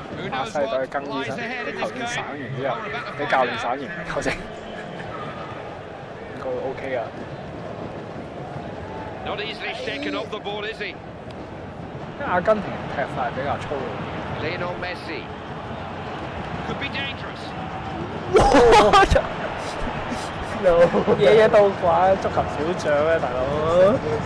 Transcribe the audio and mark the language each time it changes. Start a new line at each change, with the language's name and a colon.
Cantonese: 巴西隊更衣室，球員散完之後，啲教練散完，球證應該 OK 啊。
English: Not easily shaken off the ball, is he?
Cantonese: 因為阿根廷踢法比較粗魯。
English: Lionel Messi could be dangerous.
Cantonese: No， 夜夜都掛足球小將咩，大佬